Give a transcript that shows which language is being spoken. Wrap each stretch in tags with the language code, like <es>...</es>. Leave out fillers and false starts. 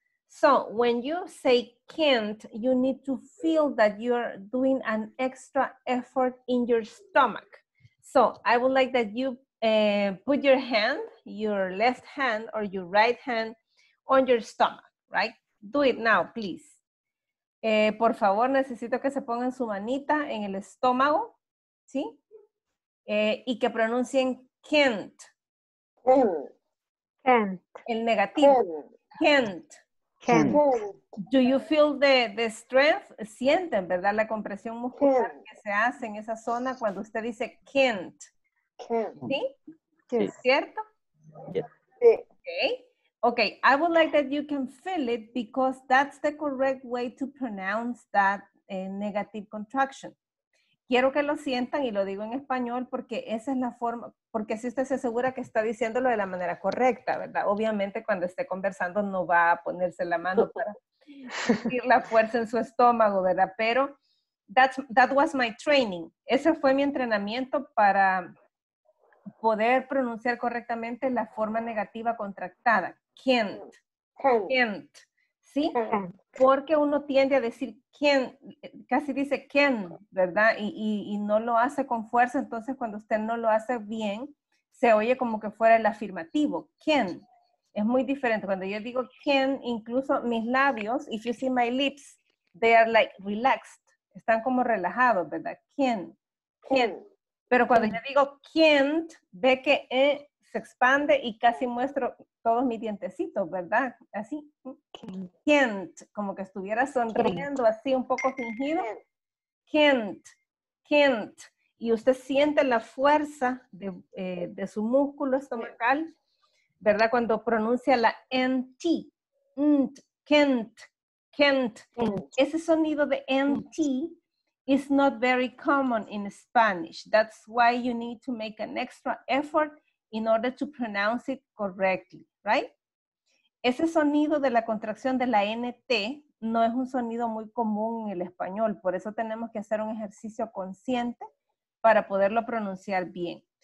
<en>So when you say can't, you need to feel that you're doing an extra effort in your stomach. So I would like that you put your hand, your left hand or your right hand on your stomach, right? Do it now, please.</en> <es>Por favor, necesito que se pongan su manita en el estómago, ¿sí? Y que pronuncien can't.</es> <en>Can't.</en> <es>El negativo. Can't.</es> <en>Can't. Do you feel the strength?</en> <es>Sienten, ¿verdad? La compresión muscular can't. Que se hace en esa zona cuando usted dice can't.</es> <en>Can't.</en> <es>¿Sí? Yes. ¿Cierto?</es> <en>Yeah. Okay. Okay. I would like that you can feel it because that's the correct way to pronounce that negative contraction.</en> <es>Quiero que lo sientan y lo digo en español porque esa es la forma, porque si usted se asegura que está diciéndolo de la manera correcta, ¿verdad? Obviamente cuando esté conversando no va a ponerse la mano para sentir la fuerza en su estómago, ¿verdad? Pero</es> <en>that was my training.</en> <es>Ese fue mi entrenamiento para poder pronunciar correctamente la forma negativa contractada. Can't. Can't. ¿Sí? Porque uno tiende a decir can, casi dice can, ¿verdad? Y no lo hace con fuerza. Entonces, cuando usted no lo hace bien, se oye como que fuera el afirmativo. Can. Es muy diferente. Cuando yo digo can, incluso mis labios,</es> <en>if you see my lips, they are like relaxed.</en> <es>Están como relajados, ¿verdad? Can. Can. Pero cuando yo digo can't, ve que se expande y casi muestro todos mis dientecitos, ¿verdad? Así, can't, como que estuviera sonriendo así un poco fingido. Can't, can't. Y usted siente la fuerza de su músculo estomacal, ¿verdad? Cuando pronuncia la NT, can't, can't, can't. Ese sonido de</es> <en>NT is not very common in Spanish. That's why you need to make an extra effort in order to pronounce it correctly, right?</en> <es>Ese sonido de la contracción de la NT no es un sonido muy común en el español, por eso tenemos que hacer un ejercicio consciente para poderlo pronunciar bien.</es>